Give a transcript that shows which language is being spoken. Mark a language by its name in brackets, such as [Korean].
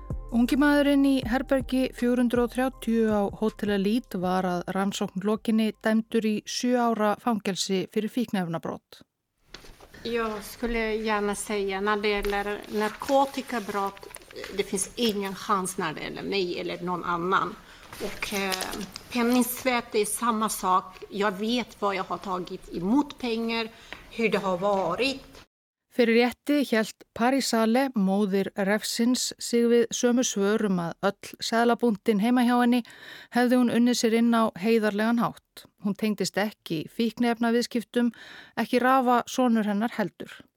[Icelandic] Ungi maðurinn í herbergi 430 á Hotel Elite var að rannsókn lokinni dæmdur í 7 ára fangelsi fyrir fíknefnabrot. [Swedish] Jag skulle gärna säga när det gäller narkotikabrott, det finns ingen chans när det gäller mig eller någon annan. Och penningsvett är samma sak. Jag vet vad jag har tagit emot pengar, hur det har varit. [Icelandic] Fyrir rétti hélt Parísale, móðir refsins, sig við sömu svörum að öll seðlabúntin heima hjá henni hefði hún unnið sér inn á heiðarlegan hátt. Hún tengdist ekki fíknefnaviðskiptum, ekki Ráa sonur hennar heldur.